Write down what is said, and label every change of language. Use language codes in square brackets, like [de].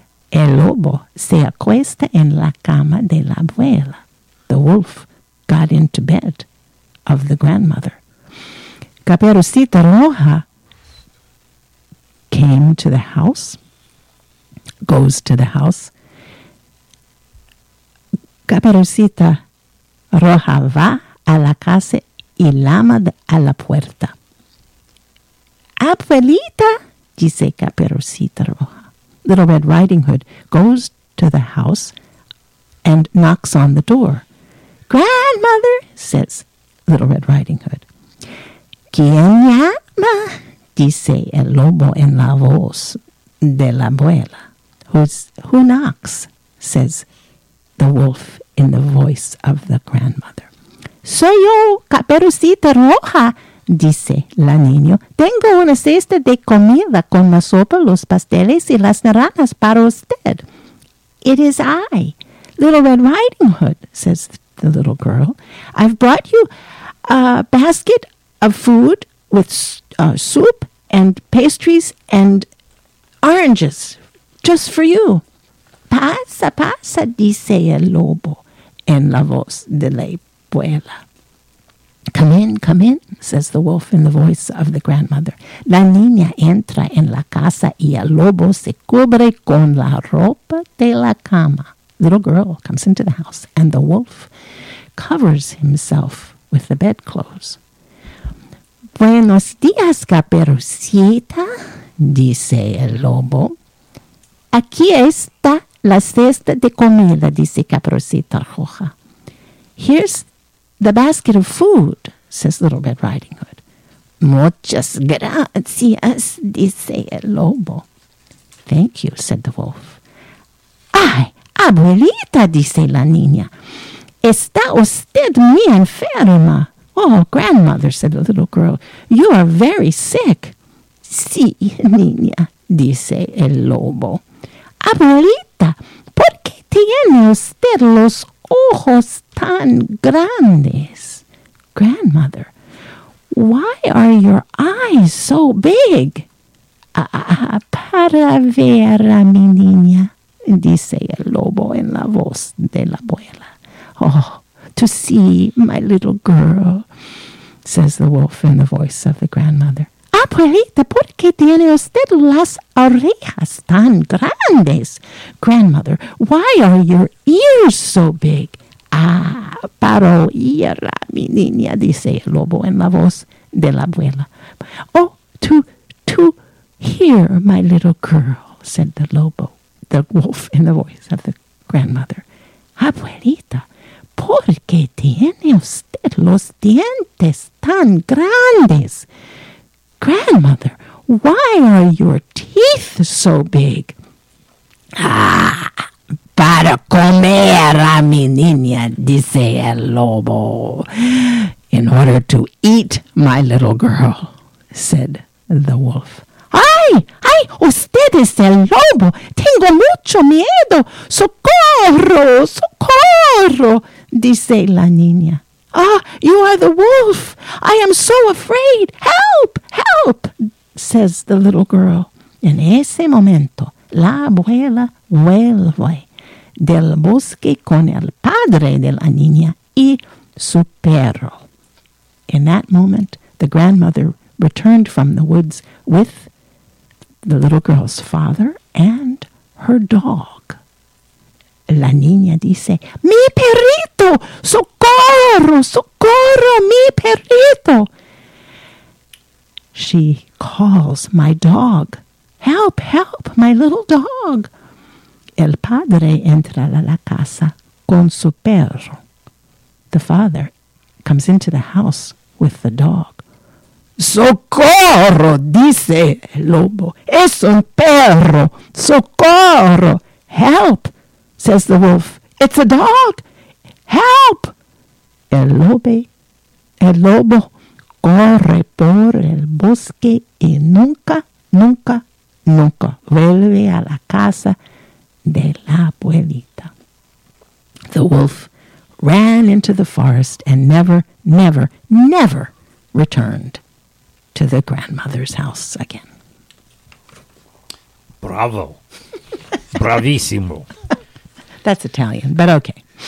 [es] El lobo se acuesta en la cama de la abuela. [en] The wolf got into bed of the grandmother. Caperucita Roja came to the house, goes to the house. [es] Caperucita Roja va a la casa y llama a la puerta. Abuelita, dice Caperucita Roja. [en] Little Red Riding Hood goes to the house and knocks on the door. Grandmother, says Little Red Riding Hood. [es] ¿Quién llama? Dice el lobo en la voz de la abuela. [en] Who knocks? Says the wolf in the voice of the grandmother. [es] Soy yo, Caperucita Roja, dice la niña. Tengo una cesta de comida con la sopa, los pasteles y las naranjas para usted. [en] It is I, Little Red Riding Hood, says the little girl. I've brought you a basket of food with soup and pastries and oranges just for you. [es] Pasa, pasa, dice el lobo en la voz de la abuela. [en] Come in, come in, says the wolf in the voice of the grandmother. [es] La niña entra en la casa y el lobo se cubre con la ropa de la cama. [en] Little girl comes into the house and the wolf covers himself with the bedclothes. [es] Buenos días, Caperucita, dice el lobo. Aquí está la cesta de comida, dice Caperucita Roja. [en] Here's the basket of food, says Little Red Riding Hood. [es] Muchas gracias, dice el lobo. [en] Thank you, said the wolf. [es] Ay, abuelita, dice la niña. Está usted muy enferma. [en] Oh, grandmother, said the little girl, you are very sick. [es] Sí, niña, dice el lobo. Abuelita, ¿por qué tiene usted los ojos tan grandes? [en] Grandmother, why are your eyes so big? [es] Ah, para ver a mi niña, dice el lobo en la voz de la abuela. [en] Oh, to see my little girl, says the wolf in the voice of the grandmother. [es] Abuelita, ¿por qué tiene usted las orejas tan grandes? [en] Grandmother, why are your ears so big? [es] Ah, para oír a mi niña, dice el lobo en la voz de la abuela. [en] Oh, to hear my little girl, said the lobo, the wolf in the voice of the grandmother. [es] Abuelita, ¿por qué tiene usted los dientes tan grandes? [en] Grandmother, why are your teeth so big? [es] Ah, para comer a mi niña, dice el lobo. [en] In order to eat my little girl, said the wolf. [es] Ay, ay, usted es el lobo. Tengo mucho miedo. Socorro, socorro, dice la niña. [en] Ah, you are the wolf. I am so afraid. Help, help, says the little girl. [es] En ese momento, la abuela vuelve del bosque con el padre de la niña y su perro. [en] In that moment, the grandmother returned from the woods with the little girl's father and her dog. [es] La niña dice, mi perrito, socorro, socorro, mi perrito. [en] She calls, my dog, help, help, my little dog. [es] El padre entra a la casa con su perro. [en] The father comes into the house with the dog. [es] Socorro, dice el lobo, es un perro, socorro, help. [en] Says the wolf, it's a dog, help! [es] El lobo corre por el bosque y nunca, nunca, nunca vuelve a la casa de la abuelita. [en] The wolf ran into the forest and never, never, never returned to the grandmother's house again. [it] Bravo. Bravissimo. [en] That's Italian, but okay.